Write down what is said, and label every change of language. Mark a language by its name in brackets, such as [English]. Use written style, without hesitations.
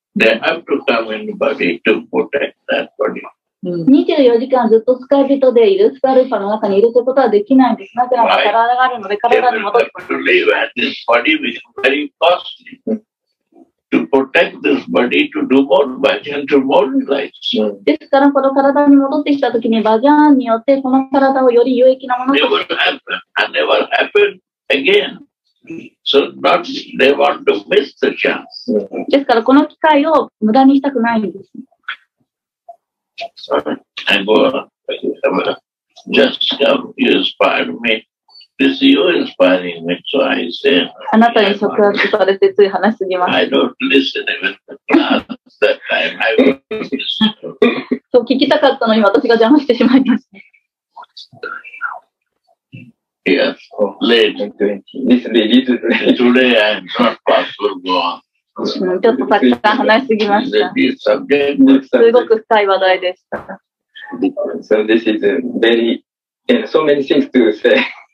[English] They have to come in body to protect that body. [Japanese] 24時間ずっと使い人でいるスカルファの中にいるということはできないんです。なぜなら体があるので体に戻ってくる。 [English] To live at this body is very costly. To protect this body, to do more bhajan, to mobilize. [Japanese] ですから、この体に戻ってきたときに、バジャーンによって、この体をより有益なものとして。 [English] Never happen, and never happen again. So, not, they want to miss the chance. [Japanese] ですから、この機会を無駄にしたくないんです。 [English] Sorry, I go on. Just come, you inspired me. This is you inspiring me, so I say. [Japanese] あなたに触発されてつい話すぎます。 [English] I don't listen even to class that time. I don't listen. [Japanese] そう聞きたかったのに私が邪魔してしまいました。 [English] Yes, late. This is late. Today I'm not possible to go on. [Japanese] ちょっとたくさん話しすぎました。すごく深い話題でした。 [English] So this is very, so many things to say.